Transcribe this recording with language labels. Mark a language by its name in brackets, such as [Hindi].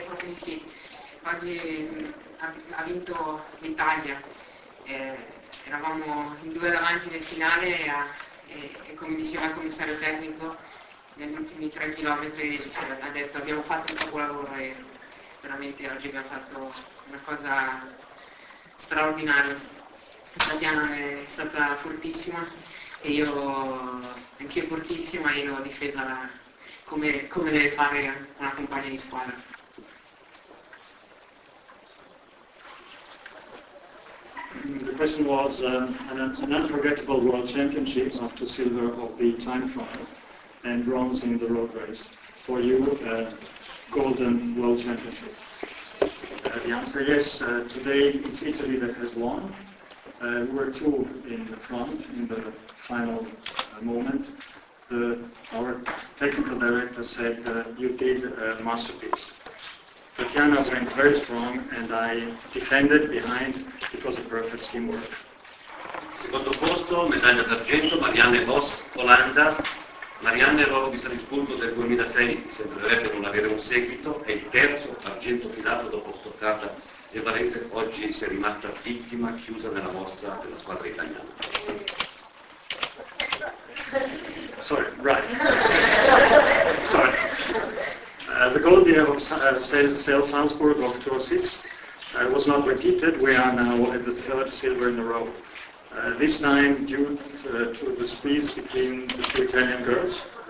[Italian] Oggi ha vinto l'Italia, eravamo in due davanti nel finale e come diceva il commissario tecnico, negli ultimi 3 chilometri ha detto abbiamo fatto un capolavoro e veramente oggi abbiamo fatto una cosa straordinaria. Tatiana è stata fortissima e io anch'io fortissima e l'ho difesa come deve fare una compagna di squadra. [English] The question was an unforgettable world championship after silver of the time trial and bronze in the road race. For you, a golden world championship. The answer yes. Today it's Italy that has won. We were two in the front in the final moment. Our technical director said you did a masterpiece. Tatiana went very strong and I defended behind because of perfect teamwork. [Italian] Secondo posto, medaglia d'argento, Marianne Vos, Olanda. Marianne, l'oro di Salisburgo del 2006, sembrerebbe non avere un seguito, è il terzo argento filato dopo Stoccarda e Varese, oggi si è rimasta vittima, chiusa nella morsa della squadra italiana. [English] Sorry. The gold medal of Sail Salzburg of 2006 was not repeated. We are now at the third silver in a row. This time due to the squeeze between the two Italian girls.